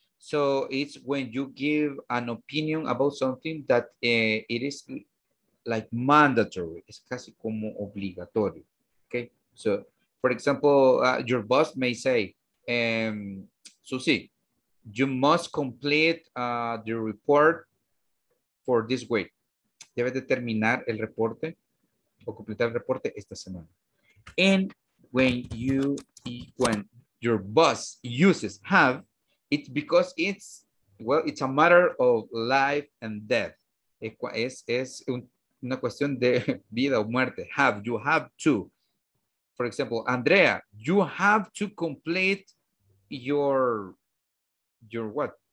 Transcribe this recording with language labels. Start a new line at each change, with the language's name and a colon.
English: So it's when you give an opinion about something that it is like mandatory.
Spanish: Es casi como obligatorio,
English: okay? So, for example, your boss may say, Susi, you must complete the report for this week.
Spanish: Debe de terminar el reporte o completar el reporte esta semana.
English: And when you, when your boss uses have, it's because it's, well, it's a matter of life and death.
Spanish: Es una cuestión de vida o muerte.
English: Have, you have to. For example, Andrea, you have to complete your what?